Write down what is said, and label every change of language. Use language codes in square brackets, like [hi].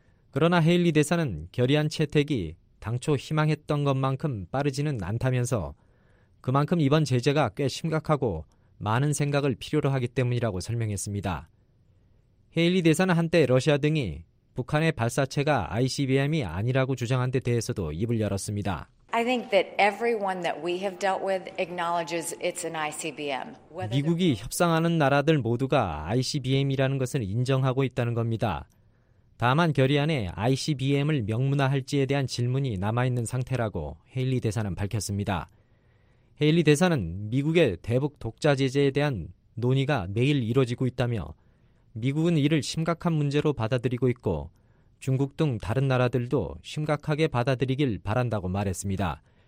[ko] 그러나 헤일리 대사는 결의안 채택이 당초 희망했던 것만큼 빠르지는 않다면서 그만큼 이번 제재가 꽤 심각하고 많은 생각을 필요로 하기 때문이라고 설명했습니다. 헤일리 대사는 한때 러시아 등이 북한의 발사체가 ICBM이 아니라고 주장한 데 대해서도 입을 열었습니다. [en] I think that everyone that we have dealt with acknowledges it's an ICBM. [ko] 미국이 협상하는 나라들 모두가 ICBM이라는 것을 인정하고 있다는 겁니다. 다만 결의안에 ICBM을 명문화할지에 대한 질문이 남아있는 상태라고 헤일리 대사는 밝혔습니다. 헤일리 대사는 미국의 대북 독자 제재에 대한 논의가 매일 이뤄지고 있다며 미국은 이를 심각한 문제로 받아들이고 있고 중국 등 다른 나라들도 심각하게 받아들이길 바란다고 말했습니다.